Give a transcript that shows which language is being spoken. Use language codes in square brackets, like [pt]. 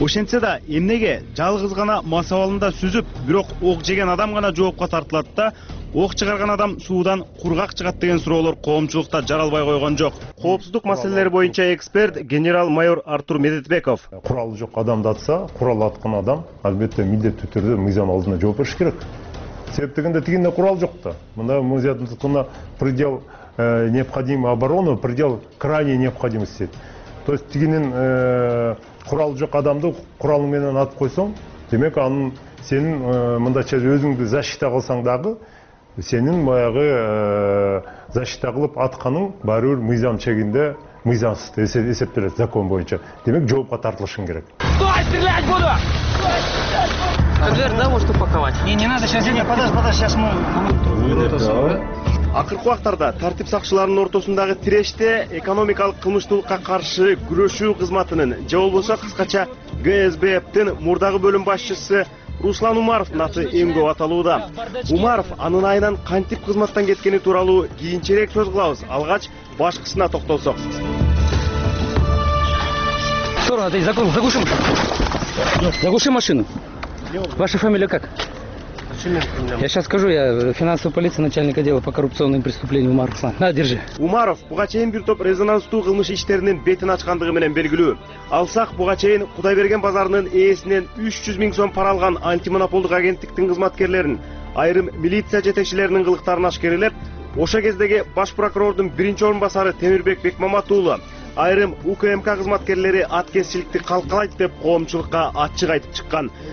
[ky] Ошентсе да эмнеге жалгыз гана мас абалында сүзүп, бирок ок жеген адам гана жоопко тартылат да ок чыгарган адам суудан кургак чыгат деген суроолор коомчулукта жаралбай койгон жок. Коопсуздук маселелери боюнча эксперт генерал-майор Артур Медетбеков. Куралы жок адамды атса, курал аткан адам албетте милдеттүү түрдө мыйзам алдында жооп бериш керек. Себеп дегенде тигинде курал жок да. Мында мыйзамдыкына [ru] предел необходимой обороны, предел крайней необходимости. [ky] То есть тигинин куралы жок адамды куралы менен атып койсоң, демек анын сенин мындайча өзүңдү защита кылсаң дагы сенин баягы защита кылып атканың баары бир мыйзам чегинде мыйзамсыз деп эсептелет закон боюнча. Демек жоопко тартылышың керек. [ru] Стой, стрелять буду! Конверт, да, может упаковать? Не, не надо, сейчас я не подожди, подожди, сейчас мы. [ky] Акыркы убактарда тартип сакчыларынын ортосундагы тирешти экономикалык кылмыштуулукка каршы күрөшүү кызматынын же болбосо кыскача ГСБПнын мурдагы бөлүм башчысы Руслан Умаровдун аты эң көп аталууда. Умаров анын айынан кантип кызматтан кеткени тууралуу кийинчерээк сөз кылабыз. Алгач башкысына токтолсок. [ru] Сторона, ты закон, заглуши машину. Заглуши машину. Ваша фамилия как? Я сейчас скажу, я финансовая полиция, начальник отдела по коррупционным преступлениям Умаров. На, держи. [ky] Умаров буга чейин бир топ резонанстуу кылмыш иштеринин бетин ачкандыгы менен белгилүү. Алсак буга чейин Кудайберген базарынын ээсинен 300 000 сом пара алган антимонополдук агенттиктин кызматкерлерин, айрым милиция жетекчилеринин кылыктарын ашкерелеп, ошо кездеги баш прокурордун биринчи орун басары Темирбек Бекмамат уулу, айрым УКМК кызматкерлери аткезчиликти калкалайт деп коомчулукка ачык айтып чыккан.